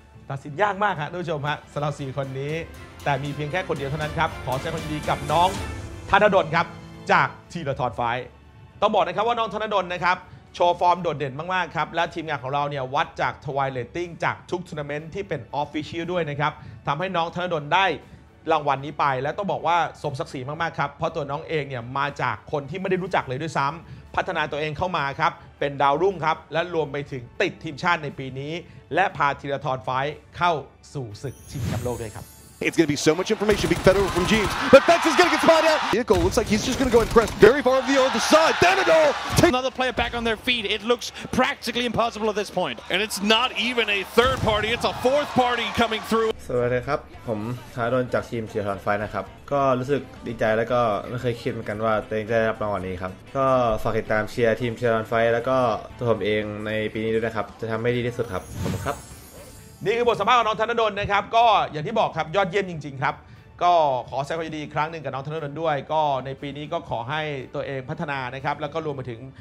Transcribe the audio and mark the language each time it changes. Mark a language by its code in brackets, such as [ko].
[th] ตัดสินยากมากฮะท่านผู้ชมฮะสำหรับ4คนนี้แต่มีเพียงแค่คนเดียวเท่านั้นครับขอแสดงความดีกับน้องธนดลครับจากธีรธรไฟต้องบอกนะครับว่าน้องธนดลนะครับโชว์ฟอร์มโดดเด่นมากๆครับและทีมงานของเราเนี่ยวัดจาก Twilight Rating จากทุกทัวร์นาเมนต์ที่เป็นออฟฟิเชียลด้วยนะครับทำให้น้องธนดลได้ รางวัลนี้ไปและต้องบอกว่าสมศักดิ์ศรีมากๆครับเพราะตัวน้องเองเนี่ยมาจากคนที่ไม่ได้รู้จักเลยด้วยซ้ำพัฒนาตัวเองเข้ามาครับเป็นดาวรุ่งครับและรวมไปถึงติดทีมชาติในปีนี้และพาธีรธรไฟเข้าสู่ศึกชิงแชมป์โลกด้วยครับ [en] It's going to be so much information being fed over from James but Fex is going to get spotted out Vehicle looks like he's just going to go and press very far over the other side Danado another player back on their feet it looks practically impossible at this point and it's not even a third party it's a fourth party coming through [th] สวัสดีครับผมธนดลจากทีมธีรธรไฟนะครับก็รู้สึกดีใจแล้วก็ไม่เคยคิดเหมือนกันว่าตัวเองจะได้รับรางวัลนี้ครับก็ฝากติดตามเชียร์ทีมธีรธรไฟแล้วก็ตัวผมเองในปีนี้ด้วยนะครับจะทำให้ดีที่สุดครับขอบคุณครับ นี่คือบทสัมภาษณ์ของน้องธนดลนะครับก็อย่างที่บอกครับยอดเยี่ยมจริงๆครับก็ขอแสดงความยินดีครั้งหนึ่งกับน้องธนดลด้วยก็ในปีนี้ก็ขอให้ตัวเองพัฒนานะครับแล้วก็รวมไปถึง